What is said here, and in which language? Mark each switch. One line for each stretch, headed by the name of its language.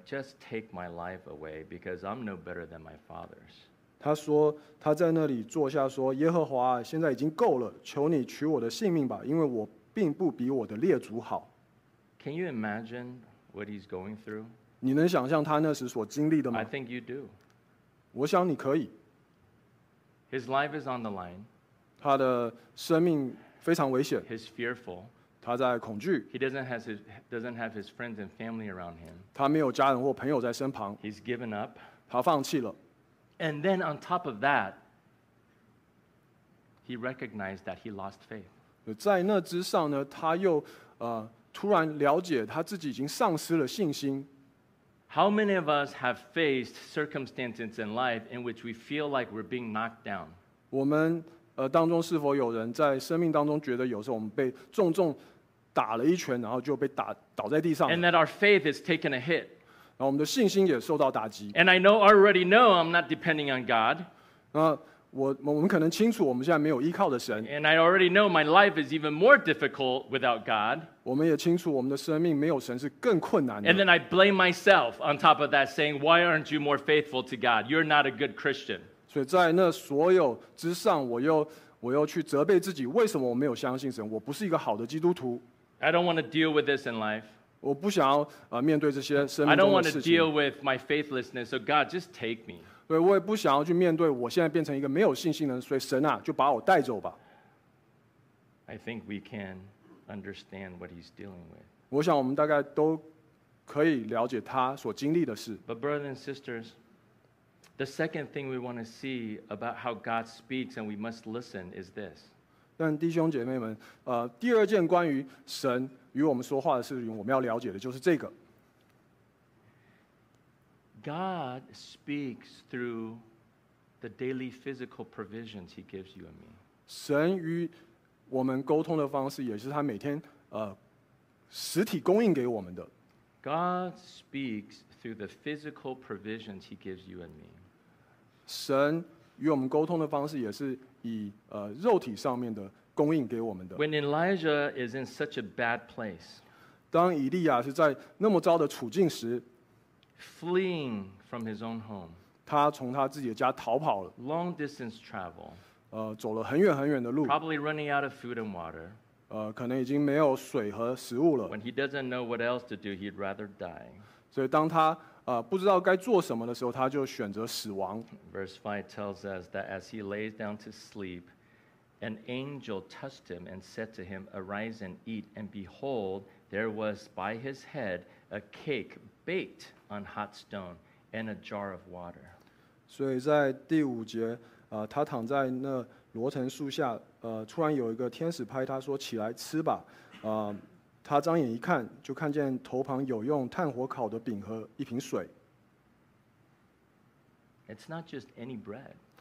English: Just take my life away, because I'm no better than my fathers."
Chinese: 他说他在那里坐下说，耶和华，现在已经够了，求你取我的性命吧，因为我并不比我的列祖好。
English: Can you imagine what he's going through?
Chinese: 你能想象他那时所经历的吗？
English: I think you do.
Chinese: 我想你可以。
English: His life is on the line.
Chinese: 他的生命非常危险。
English: He's fearful.
Chinese: 他在恐惧。
English: He doesn't have his friends and family around him.
Chinese: 他没有家人或朋友在身旁。
English: He's given up.
Chinese: 他放弃了。
English: And then on top of that, he recognized that he lost faith.
Chinese: 在那之上呢，他又突然了解他自己已经丧失了信心。
English: How many of us have faced circumstances in life in which we feel like we're being knocked down?
Chinese: 我们当中是否有人在生命当中觉得有时候我们被重重打了一拳，然后就被倒在地上
English: ？And that our faith is taken a hit.
Chinese: 然后我们的信心也受到打击。
English: And I know already know I'm not depending on God.
Chinese: 那我们可能清楚我们现在没有依靠的神。
English: And I already know my life is even more difficult without God.
Chinese: 我们也清楚我们的生命没有神是更困难的。
English: And then I blame myself on top of that, saying, "Why aren't you more faithful to God? You're not a good Christian."
Chinese: 所以在那所有之上，我又去责备自己，为什么我没有相信神？我不是一个好的基督徒。
English: I don't want to deal with this in life.
Chinese: 我不想要面对这些生命中的事情。
English: I don't want to deal with my faithlessness. So God, just take me.
Chinese: 对，我也不想要去面对我现在变成一个没有信心的人。所以神啊，就把我带走吧。
English: I think we can. Understand what he's dealing with.
Chinese: 我想我们大概都可以了解他所经历的事。
English: But brothers and sisters, the second thing we want to see about how God speaks and we must listen is this.
Chinese: 但弟兄姐妹们，第二件关于神与我们说话的事情，我们要了解的就是这个。
English: God speaks through the daily physical provisions He gives you and me.
Chinese: 神与我们沟通的方式也是他每天实体供应给我们的。
English: God speaks through the physical provisions He gives you and me.
Chinese: 神与我们沟通的方式也是以肉体上面的供应给我们的。
English: When Elijah is in such a bad place,
Chinese: 当以利亚是在那么糟的处境时
English: ，fleeing from his own home,
Chinese: 他从他自己的家逃跑了
English: ，long distance travel,
Chinese: 走了很远很远的路。
English: Probably running out of food and water.
Chinese: 可能已经没有水和食物了。
English: When he doesn't know what else to do, he'd rather die.
Chinese: 所以当他不知道该做什么的时候，他就选择死亡。
English: Verse 5 tells us that as he lays down to sleep, an angel touched him and said to him, "Arise and eat." And behold, there was by his head a cake baked on hot stone and a jar of water.
Chinese: 所以在第五节，他躺在那罗城树下，突然有一个天使拍他说：“起来吃吧。” 他张眼一看，就看见头旁有用炭火烤的饼和一瓶水。
English: It's not just any bread.